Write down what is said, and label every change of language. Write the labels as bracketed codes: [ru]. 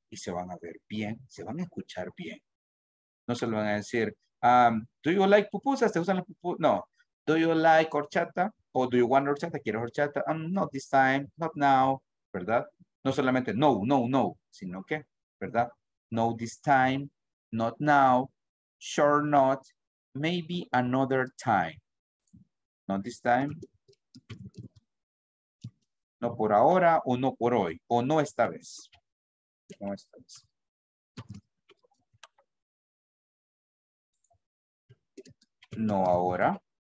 [es] Y se van a ver bien, se van a escuchar bien. No se lo van a decir, [en] do you like pupusas? [es] ¿Te gustan las pupusas? No. [en] Do you like horchata? ¿O do you want horchata? [es] ¿Quieres horchata? [en] Not this time, not now, ¿verdad? [es] No solamente no, no, no, sino que, ¿verdad? [en] No this time, not now, sure not, maybe another time. Not this time. [es] No por ahora o no por hoy, o no esta vez. No esta vez. No ahora.